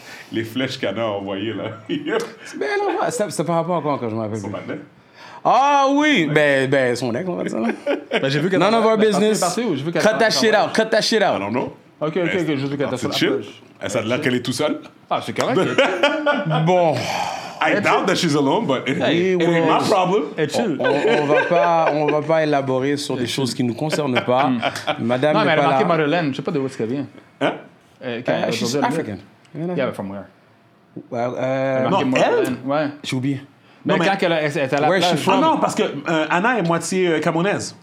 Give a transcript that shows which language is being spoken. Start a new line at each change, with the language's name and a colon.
French: Les flèches qu'Anna a envoyées, là. Mais là, c'était par rapport à quoi, quand je m'appelle? C'est pas net. Ah oui, ben son ex, on va dire ça. Ben, j'ai vu que
English: none of our business. Cut that shit out. I don't know.
French: Ok, je veux qu'elle t'assure. Elle s'est là qu'elle est tout seule. Ah, c'est correct. Bon.
English: I doubt that she's alone, but it ain't my problem.
French: On va pas élaborer sur des choses qui nous concernent pas. Madame, non, mais elle a marqué Madeleine. Je sais pas de où est-ce qu'elle vient. Hein?
English: She's African. Yeah, but from where?
French: Non, elle? Ouais. J'ai oublié. Non, mais quand elle est à la plage... Ah non, parce que Anna est moitié camerounaise.